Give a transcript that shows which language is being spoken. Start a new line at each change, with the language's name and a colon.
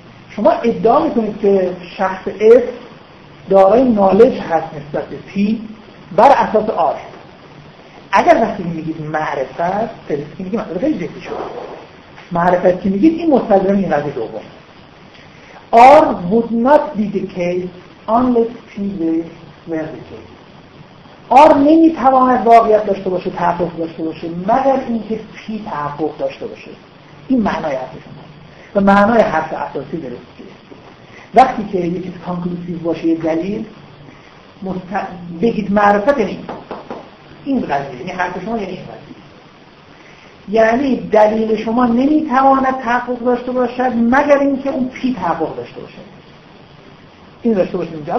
Persian: شما ادعا میکنید که شخص اس دارای نالج هست نسبت به پی بر اساس آر. اگر وقتی میگید معرفت، فلسفی میگید معرفت خیلی جدی شد. معرفت که میگید این مستلزم این قضیه دوم.
English: R would not be the case unless P were the case.
Persian: R نمیتواند واقعیت داشته باشه، تحقق داشته باشه، مگر اینکه P تحقق داشته باشه. این معنای حرف شما و معنای حرف اساسی درستیه. وقتی که یکی کانکلوسیو باشه یه دلیل بگید معرفت یعنی این قضیه، یعنی حرف شما یعنی این قضیه، یعنی دلیل شما نمیتواند تحقق داشته باشد مگر اینکه اون پی تحقق داشته باشد. این داشته باشید اینجا.